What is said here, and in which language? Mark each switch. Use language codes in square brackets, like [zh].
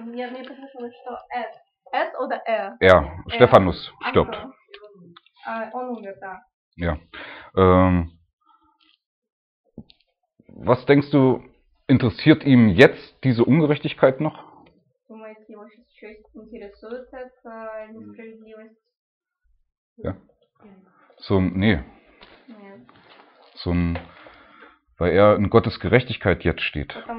[ru] Мне послышалось, что S oder R? [de] Ja, Stephanus stirbt. [ru] Он умер, да. [de] Ja. Was denkst du, interessiert ihm jetzt diese Ungerechtigkeit noch? [ru] Думаете, его сейчас интересует эта несправедливость? [de] Ja. So, nee. So ein, weil er in Gottes Gerechtigkeit jetzt steht.